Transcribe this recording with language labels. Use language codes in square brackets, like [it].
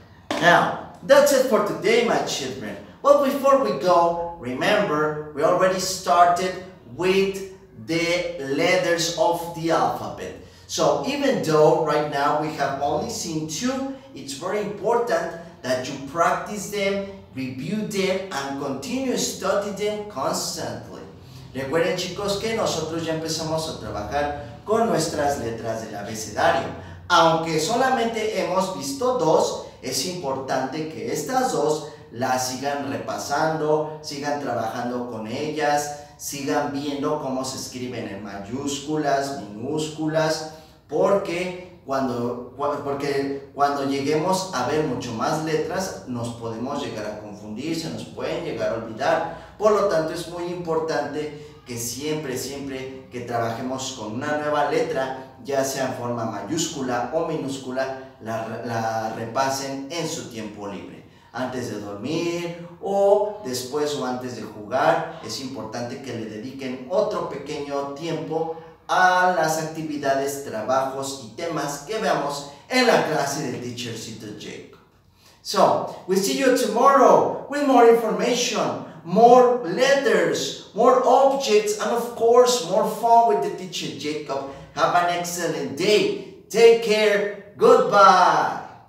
[en] Now, that's it for today, my children. But before we go, remember, we already started with the letters of the alphabet. So even though right now we have only seen two, it's very important that you practice them, review them, and continue studying them constantly. [es] Recuerden, chicos, que nosotros ya empezamos a trabajar con nuestras letras del abecedario. Aunque solamente hemos visto dos, es importante que estas dos las sigan repasando, sigan trabajando con ellas, sigan viendo cómo se escriben en mayúsculas, minúsculas, porque cuando lleguemos a ver mucho más letras, nos podemos llegar a confundir, se nos pueden llegar a olvidar. Por lo tanto, es muy importante que siempre que trabajemos con una nueva letra, ya sea en forma mayúscula o minúscula, la repasen en su tiempo libre. Antes de dormir, o después o antes de jugar, es importante que le dediquen otro pequeño tiempo a las actividades, trabajos y temas que veamos en la clase de Teachercito Jacob. [en] So, we see you tomorrow with more information, more letters, more objects, and of course, more fun with the teacher Jacob. Have an excellent day. Take care. Goodbye.